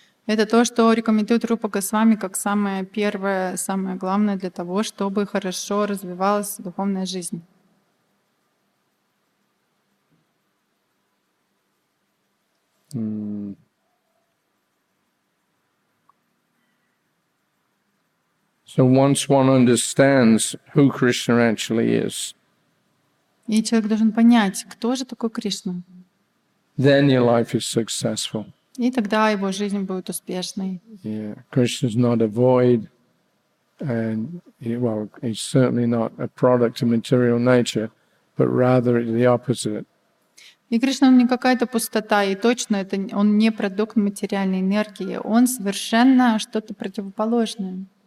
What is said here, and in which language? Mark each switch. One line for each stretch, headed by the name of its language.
Russian: Это то, что рекомендует Рупа Госвами как самое первое, самое главное для того, чтобы хорошо развивалась духовная жизнь.
English: So once one understands who Krishna actually is,
Russian: и человек должен понять, кто же такой Кришна.
English: Then your life is successful.
Russian: И тогда его жизнь будет успешной.
English: Yeah, Krishna is not a void, and well, he's certainly not a product of material nature, but rather the opposite.
Russian: И Кришна не какая-то пустота, и точно это он не продукт материальной энергии, он совершенно что-то противоположное.